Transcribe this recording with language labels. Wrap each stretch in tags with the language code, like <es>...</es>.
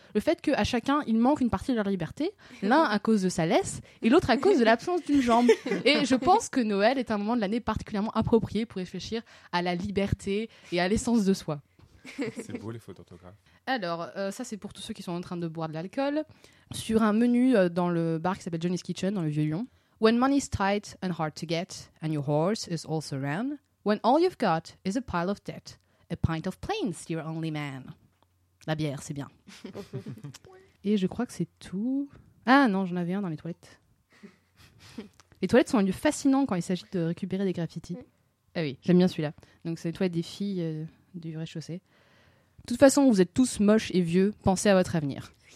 <fr>Le fait qu'à chacun, il manque une partie de leur liberté, l'un à cause de sa laisse et l'autre à cause de l'absence d'une jambe. Et je pense que Noël est un moment de l'année particulièrement approprié pour réfléchir à la liberté et à l'essence de soi. C'est beau les fautes d'orthographe. Alors, ça c'est pour tous ceux qui sont en train de boire de l'alcool. Sur un menu dans le bar qui s'appelle Johnny's Kitchen, dans le Vieux Lyon.</fr> <en>When money's tight and hard to get, and your horse is also round, when all you've got is a pile of debt, a pint of plain's your only man.</en> <fr>La bière, c'est bien. Et je crois que c'est tout. Ah non, j'en avais un dans les toilettes. Les toilettes sont un lieu fascinant quand il s'agit de récupérer des graffitis. Ah oui, j'aime bien celui-là. Donc c'est les toilettes des filles du rez-de-chaussée. De toute façon, vous êtes tous moches et vieux, pensez à votre avenir.</fr>